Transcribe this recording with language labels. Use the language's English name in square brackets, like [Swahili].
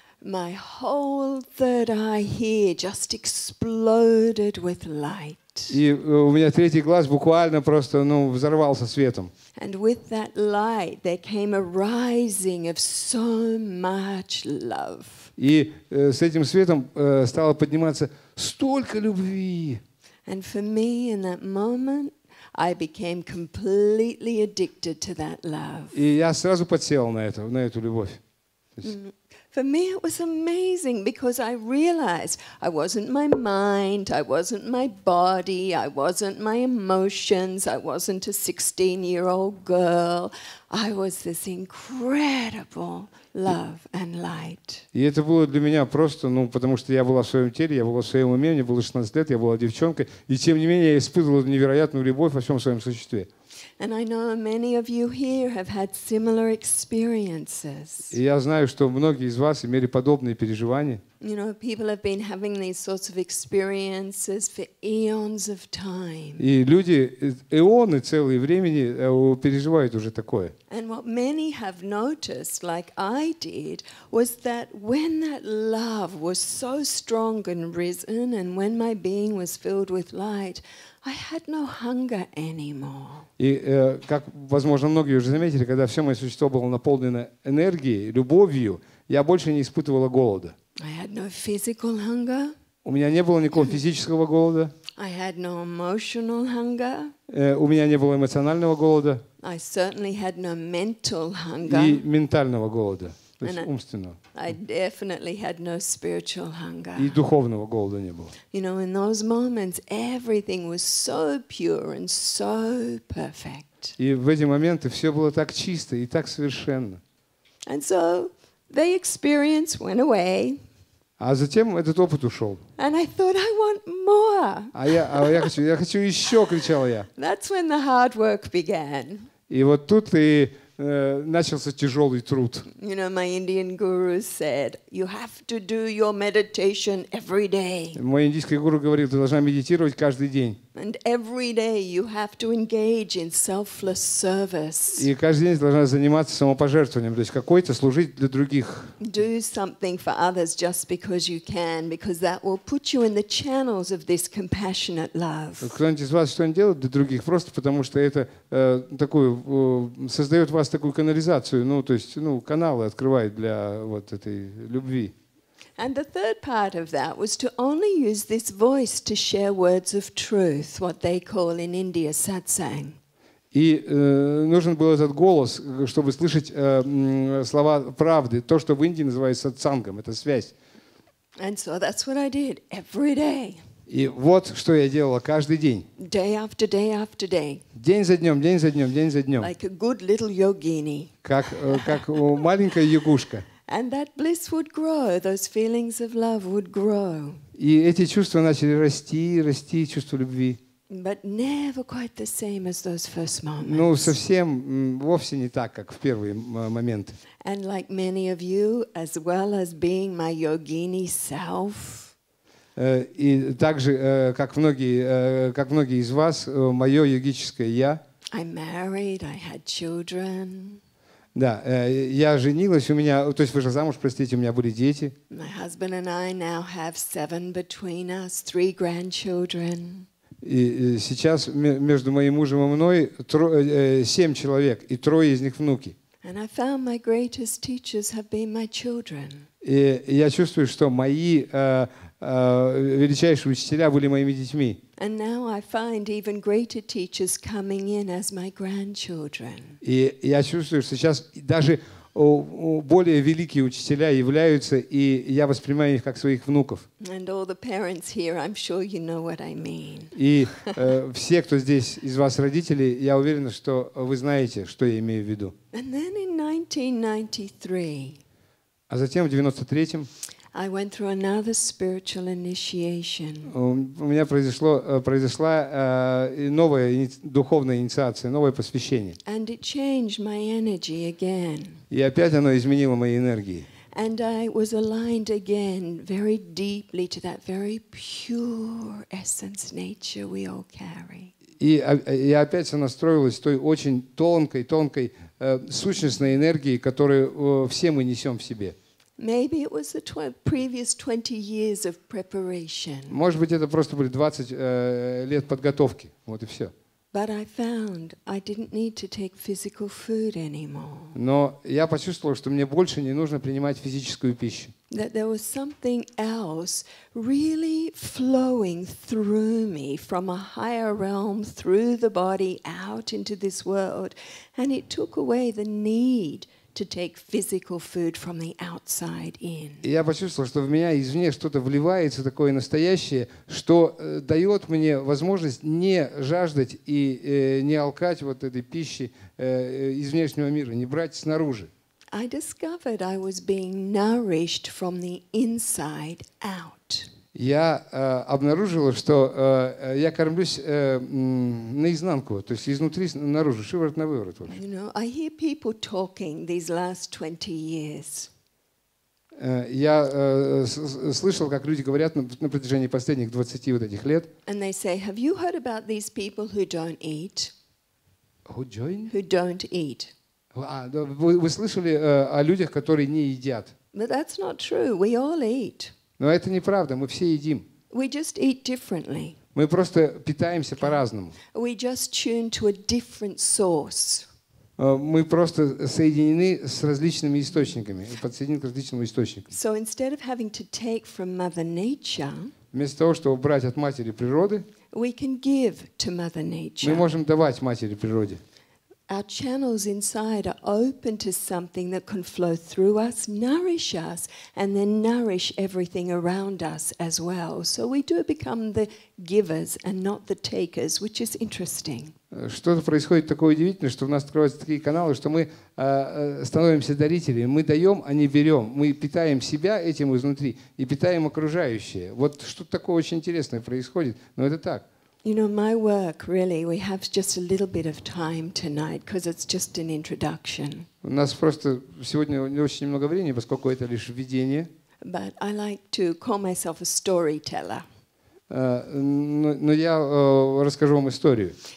[English] My whole third eye here just exploded with light. [Russian] И у меня третий глаз буквально просто, ну, взорвался светом. [English] And with that light there came a rising of so much love. [Russian] И с этим светом стало подниматься столько любви. [English] And for me in that moment I became completely addicted to that love. [Russian] И я сразу подсел на это, на эту любовь. [English] For me it was amazing because I realized I wasn't my mind, I wasn't my body, I wasn't my emotions, I wasn't a 16-year-old girl. I was this incredible love and light. [Russian] И это было для меня просто, ну, потому что я была в своем теле, я была в своем уме, мне было 16 лет, я была девчонкой, и тем не менее я испытывала невероятную любовь во всем своем существе. [English] And I know many of you here have had similar experiences. [Russian] Я знаю, что многие из вас имели подобные переживания. [English] You know, people have been having these sorts of experiences for eons of time. [Russian] И люди эоны целые времени переживают уже такое. [English] And what many have noticed, like I did, was that when that love was so strong and risen, and when my being was filled with light, I had no hunger anymore. [Russian] И как, возможно, многие уже заметили, когда все мое существо было наполнено энергией, любовью, я больше не испытывала голода. [English] I had no physical hunger. [Russian] У меня не было никакого физического голода. [English] I had no emotional hunger. [Russian] У меня не было эмоционального голода. [English] I certainly had no mental hunger. [Russian] И ментального голода, то есть умственного. [English] I definitely had no spiritual hunger. [Russian] И духовного голода не было. [English] You know, in those moments, everything was so pure and so perfect. [Russian] И в эти моменты все было так чисто и так совершенно. [English] And so the experience went away. [Russian] А затем этот опыт ушел. [English] And I thought, I want more. [Russian] я хочу еще, кричал я. [English] That's when the hard work began. [Russian] И вот тут и начался тяжелый труд. [English] You know, my Indian guru said, you have to do your meditation every day. [Russian] Мой индийский гуру говорил, ты должна медитировать каждый день. [English] And every day you have to engage in selfless service. [Russian] И каждый день ты должна заниматься самопожертвованием, то есть какой-то служить для других. [English] Do something for others just because you can, because that will put you in the channels of this compassionate love. [Russian] Кто-нибудь из вас что-нибудь делает для других просто потому что это такую создает у вас такую канализацию, ну то есть ну каналы открывает для вот этой любви. [English] And the third part of that was to only use this voice to share words of truth, what they call in India satsang. [Russian] И нужен был этот голос, чтобы слышать слова правды, то, что в Индии называется сатсангом, это связь. [English] And so that's what I did every day. [Russian] И вот что я делала каждый день. [English] Day after day after day. [Russian] День за днем, день за днем, день за днем. [English] Like a good little yogini. [Russian] Как маленькая ягушка. [English] And that bliss would grow, those feelings of love would grow. [Russian] И эти чувства начали расти, чувство любви. [English] But never quite the same as those first moments. [Russian] Ну, совсем вовсе не так, как в первый момент. [English] And like many of you, as well as being my yogini self. [Russian] И также, как многие из вас, мое йогическое я. [English] I married, I had children. [Russian] Да, я женилась, у меня, то есть вышла замуж, простите, у меня были дети. [English] My husband and I now have 7 between us, 3 grandchildren. [Russian] И сейчас между моим мужем и мной 7 человек, и 3 из них внуки. [English] And I found my greatest teachers have been my children. [Russian] И я чувствую, что мои величайшие учителя были моими детьми. [English] And now I find even greater teachers coming in as my grandchildren. [Russian] И я чувствую, что сейчас даже более великие учителя являются, и я воспринимаю их как своих внуков. [English] And all the parents here, I'm sure you know what I mean. [Russian] И все, кто здесь из вас родители, я уверен, что вы знаете, что я имею в виду. [English] And then in 1993. [Russian] А затем в 93-м. [English] I went through another spiritual initiation. [Russian] У меня произошла новая духовная инициация, новое посвящение. [English] And it changed my energy again. [Russian] И опять оно изменило мои энергии. [English] And I was aligned again very deeply to that very pure essence nature we all carry. [Russian] И я опять сонастроилась с той очень тонкой сущностной энергией, которую все мы несем в себе. [English] Maybe it was the previous 20 years of preparation. [Russian] Может быть, это просто были 20 лет подготовки. Вот и все. [English] But I found I didn't need to take physical food anymore. [Russian] Но я почувствовал, что мне больше не нужно принимать физическую пищу. [English] That there was something else really flowing through me from a higher realm through the body out into this world, and it took away the need to take physical food from the outside in. [Russian] Я почувствовал, что в меня извне что-то вливается такое настоящее, что дает мне возможность не жаждать и не алкать вот этой пищи из внешнего мира, не брать снаружи. [English] I discovered I was being nourished from the inside out. [Russian] Я обнаружила, что я кормлюсь наизнанку, то есть изнутри наружу, шиворот на выворот. [English] You know, I hear people talking these last 20 years. [Russian] Я слышал, как люди говорят на протяжении последних 20 вот этих лет. [English] And they say, have you heard about these people who don't eat? Who don't eat? [Russian] Вы слышали о людях, которые не едят? [English] But that's not true. We all eat. [Russian] Но это неправда, мы все едим. [English] We just eat differently. [Russian] Мы просто питаемся по-разному. [English] We just tune to a different source. [Russian] Мы просто соединены с различными источниками, подсоединены к различным источникам. [English] So instead of having to take from Mother Nature, [Russian] вместо того, чтобы брать от Матери Природы, [English] we can give to Mother Nature. [Russian] Мы можем давать Матери Природе. [English] Our channels inside are open to something that can flow through us, nourish us, and then nourish everything around us as well. So we do become the givers and not the takers, which is interesting. [Russian] Что-то происходит такое удивительное, что у нас открываются такие каналы, что мы становимся дарителями. Мы даем, а не берем. Мы питаем себя этим изнутри и питаем окружающее. Вот что-то такое очень интересное происходит, но это так. [English] You know, my work, really, we have just a little bit of time tonight, because it's just an introduction. [Russian] У нас просто сегодня не очень много времени, поскольку это лишь введение. [English] But I like to call myself a storyteller. [Russian] Но я расскажу вам историю.